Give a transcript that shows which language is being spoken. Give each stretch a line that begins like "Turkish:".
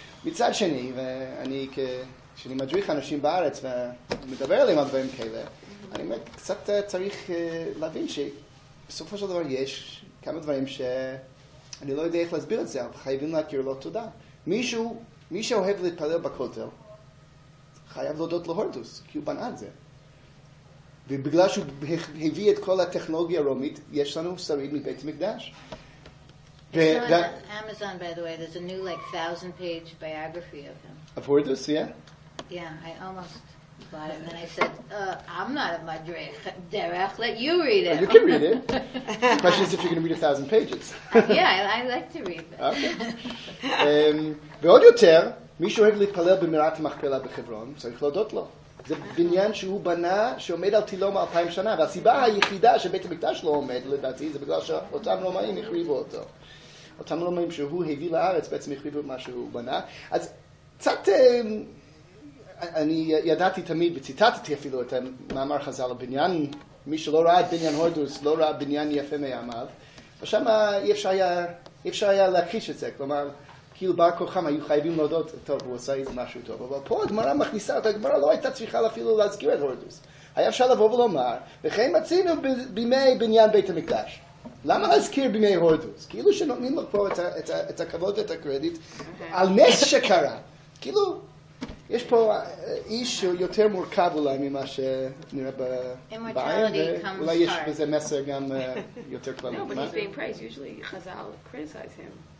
Hebrew: מצד שני, ואני כשאני מדריך אנשים בארץ ומדבר עליהם על דברים כאלה, אני אומר, קצת צריך להבין שבסופו של דבר יש כמה דברים שאני לא יודע איך להסביר את זה, אבל חייבים להכיר לו תודה. מי שאוהב להתפלל בכותל, חייב להודות להורדוס, כי הוא בנה את זה. ובגלל שהוא הביא את כל הטכנולוגיה הרומית, יש לנו שריד מבית המקדש.
English: Amazon, by the way, there's a new, like, 1,000-page biography of him. Of Hordus, yeah? Yeah, I almost bought it, and then I said, I'm not a madrich, Derek, let you read it. Oh, you can read it. The question is if you're going to read 1,000 pages. yeah, I like to read that. Okay.
Hebrew: ועוד יותר, מי שאוהב להתפלל במערת המכפלה בחברון, צריך להודות לו. זה בניין שהוא בנה, שעומד על תילו 2,000 שנה, והסיבה היחידה שבית המקדש לא עומד, לדעתי, זה בגלל שאותם רומאים החריבו אותו. אותם רומאים שהוא הביא לארץ, בעצם החריבו את מה שהוא בנה. אז קצת, אני ידעתי תמיד, וציטטתי אפילו את המאמר חזל הבניין, מי שלא ראה את בניין הורדוס, לא ראה בניין יפה מימיו, ושם אי אפשר היה להכחיש את זה, כלומר, כאילו בר כוחם היו חייבים להודות, טוב, הוא עושה איזה משהו טוב. אבל פה הגמרא מכניסה, את הגמרא לא הייתה צריכה אפילו להזכיר את הורדוס. היה אפשר לבוא ולומר, וכן מצינו בימי בניין בית המקדש. למה להזכיר בימי הורדוס? כאילו שנותנים לו פה את הכבוד ואת הקרדיט, okay. על נס שקרה. כאילו, יש פה איש יותר מורכב אולי ממה שנראה בבעיה, ואולי יש בזה מסר גם יותר כבר.
English: No, but he's being praised. Usually Chazal criticize him.